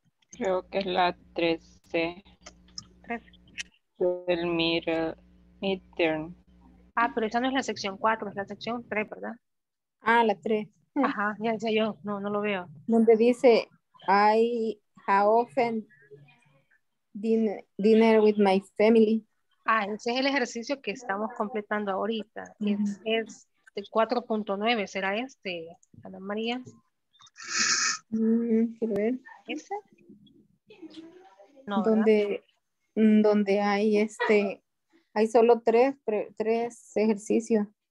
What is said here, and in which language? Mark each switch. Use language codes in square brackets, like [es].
[es] Creo que es la 13. 13. Del midterm. Ah, pero esa no es la sección 4, es la sección 3, ¿verdad? Ah, la 3. Ajá, ya decía yo, no, no lo veo. Donde dice, [en] I have often dinner with my family. [es] Ah, ese es el ejercicio que estamos completando ahorita. Mm-hmm. Es el 4.9, ¿será este, Ana María? Quiero ver. ¿Ese? No, donde, donde hay este, hay solo tres ejercicios.